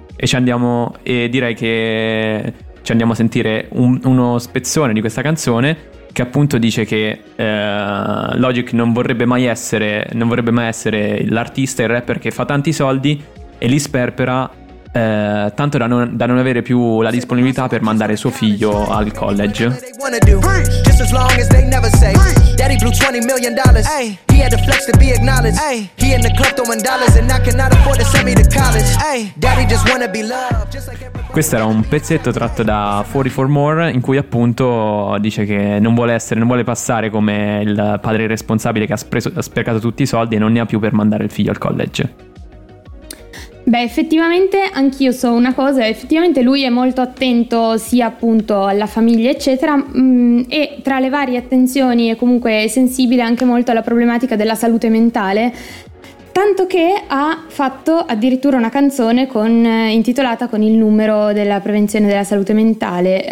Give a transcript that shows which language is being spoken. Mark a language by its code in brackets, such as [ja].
[it] E ci andiamo, e direi che ci andiamo a sentire uno spezzone di questa canzone, che appunto dice che Logic non vorrebbe mai essere l'artista, il rapper che fa tanti soldi e li sperpera tanto da non avere più la disponibilità per mandare suo figlio al college. [en] Just as long as they never say daddy blew $20 million, he had the flex to be acknowledged, he in the club throwing dollars and I cannot afford to send me to college, daddy just wanna be loved. [it] Questo era un pezzetto tratto da 44 More, in cui appunto dice che non vuole passare come il padre irresponsabile che ha sprecato tutti i soldi e non ne ha più per mandare il figlio al college. Beh, effettivamente anch'io so una cosa, effettivamente lui è molto attento sia appunto alla famiglia eccetera, e tra le varie attenzioni è comunque sensibile anche molto alla problematica della salute mentale, tanto che ha fatto addirittura una canzone intitolata con il numero della prevenzione della salute mentale.